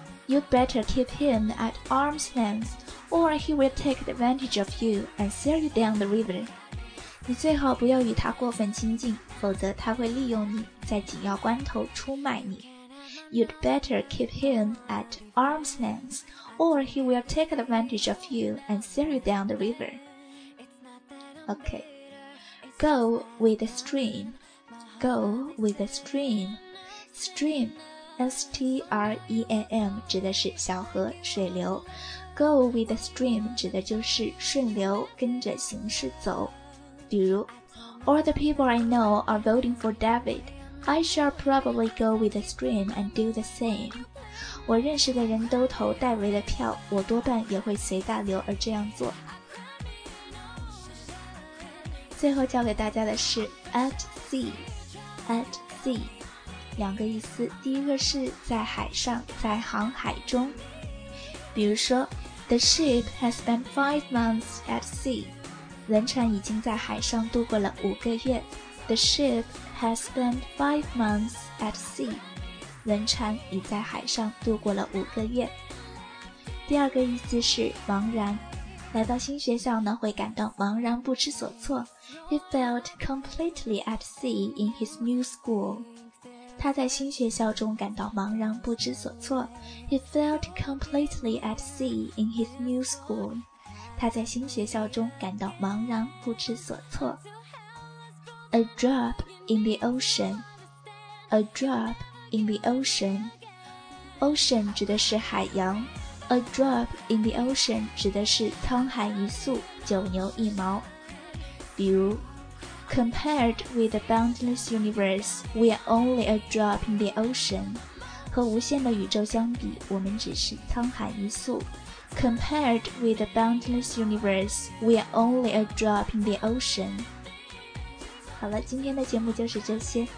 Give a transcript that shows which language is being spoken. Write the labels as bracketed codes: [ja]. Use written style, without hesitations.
[en] You better keep him at arm's length, or he will take advantage of you and sail you down the river. [zh] 你最好不要与他过分亲近，否则他会利用你，在紧要关头出卖你。 [en] You'd better keep him at arm's length, or he will take advantage of you and sail you down the river. Okay. Go with the stream. Go with the stream. Stream. [zh] S-T-R-E-A-M 指的是小河水流。 [en] Go with the stream [zh] 指的就是顺流跟着行事走。比如 [en] All the people I know are voting for David. I shall probably go with the stream and do the same. [zh] 我认识的人都投戴维的票，我多半也会随大流而这样做。最后教给大家的是 [en] At sea. At sea. [zh] 两个意思，第一个是在海上，在航海中。比如说 [en] The ship has spent 5 months at sea. [zh] 轮船已经在海上度过了5个月。 [en] The ship has spent 5 months at sea. [zh] 轮船已在海上度过了5个月。第二个意思是茫然，来到新学校呢，会感到茫然不知所措。 [en] He felt completely at sea in his new school. [zh] 他在新学校中感到茫然不知所措。 [en] He felt completely at sea in his new school. [zh] 他在新学校中感到茫然不知所措。 [en] A drop in the ocean. A drop in the ocean. [zh] Ocean 指的是海洋。 [en] A drop in the ocean [zh] 指的是沧海一粟，九牛一毛。比如 [en] Compared with the boundless universe, we are only a drop in the ocean. [zh] 和无限的宇宙相比，我们只是沧海一粟。 [en] Compared with the boundless universe, we are only a drop in the ocean. [zh] 好了，今天的节目就是这些。